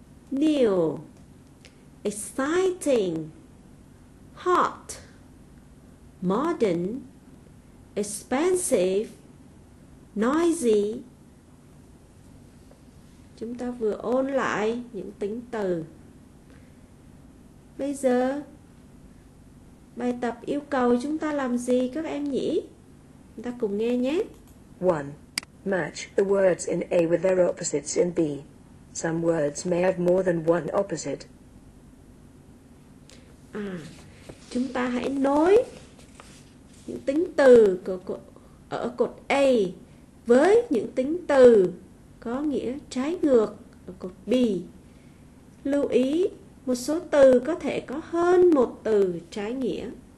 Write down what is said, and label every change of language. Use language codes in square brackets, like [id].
[en] new, exciting, hot, modern, expensive, noisy. [vi] Chúng ta vừa ôn lại những tính từ. Bây giờ, bài tập yêu cầu chúng ta làm gì các em nhỉ? Chúng ta cùng nghe nhé. 1. [en] Match the words in A with their opposites in B. Some words may have more than one opposite. [vi] Chúng ta hãy nối những tính từ ở cột A với những tính từ có nghĩa trái ngược ở cột B. Lưu ý, một số từ có thể có hơn một từ trái nghĩa.